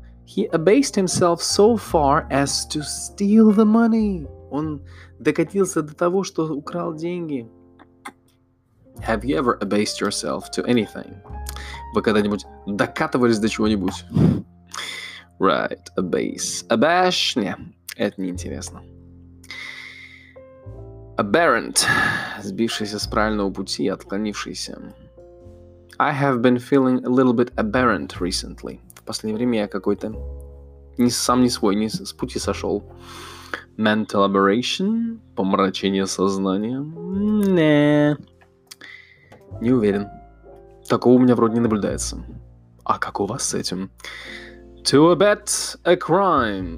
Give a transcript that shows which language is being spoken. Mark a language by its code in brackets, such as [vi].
[en] He abased himself so far as to steal the money. [ru] Он докатился до того, что украл деньги. [en] Have you ever abased yourself to anything? [ru] Вы когда-нибудь докатывались до чего-нибудь? [en] Right, a base. A bash? [ru] Не, это неинтересно. [en] Aberrant. [ru] Сбившийся с правильного пути, отклонившийся. [en] I have been feeling a little bit aberrant recently. [ru] В последнее время я какой-то не с пути сошел. [en] Mental aberration? [ru] Помрачение сознания? Nah. Не уверен. Такого у меня вроде не наблюдается. А как у вас с этим? [en] To abet a crime.